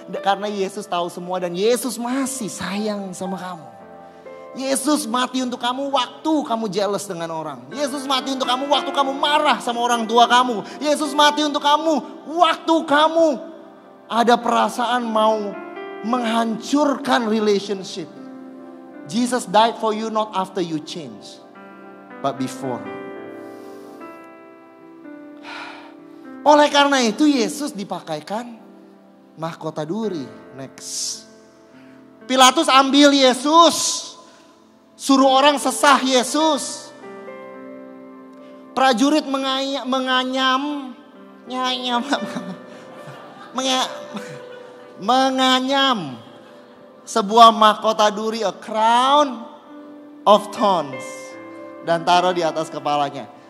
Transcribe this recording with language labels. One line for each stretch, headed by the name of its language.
Indonesian: Karena Yesus tahu semua dan Yesus masih sayang sama kamu. Yesus mati untuk kamu waktu kamu jealous dengan orang. Yesus mati untuk kamu waktu kamu marah sama orang tua kamu. Yesus mati untuk kamu waktu kamu ada perasaan mau menghancurkan relationship.
English: Jesus died for you not after you change, but before.
Indonesian: Oleh karena itu Yesus dipakaikan mahkota duri. Next. Pilatus ambil Yesus. Suruh orang sesah Yesus. Prajurit menganyam sebuah mahkota duri,
English: a crown of thorns,
Indonesian: dan taruh di atas kepalanya.